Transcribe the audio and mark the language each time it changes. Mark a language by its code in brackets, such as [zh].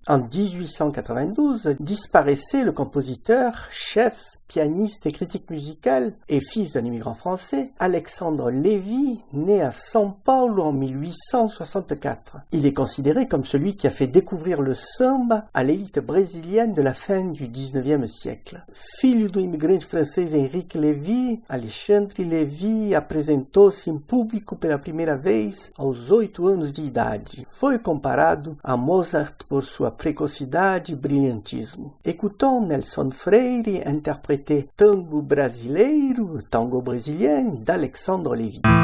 [fr] En 1892, disparaissait le compositeur, chef, pianiste et critique musical, et fils d'un immigrant français, Alexandre Lévy, né à São Paulo en 1864. Il est considéré comme celui qui a fait découvrir le samba à l'élite brésilienne de la fin du 19e siècle. [pt] Filho do imigrante francês Henrique Lévy, Alexandre Lévy apresentou-se em público pela primeira vez aos 8 anos de idade. Foi comparado a Mozart por sua precocidade e brilhantismo. [fr] Écoutons Nelson Freire interpréter Tango Brasileiro, Tango Brésilien, d'Alexandre Lévy.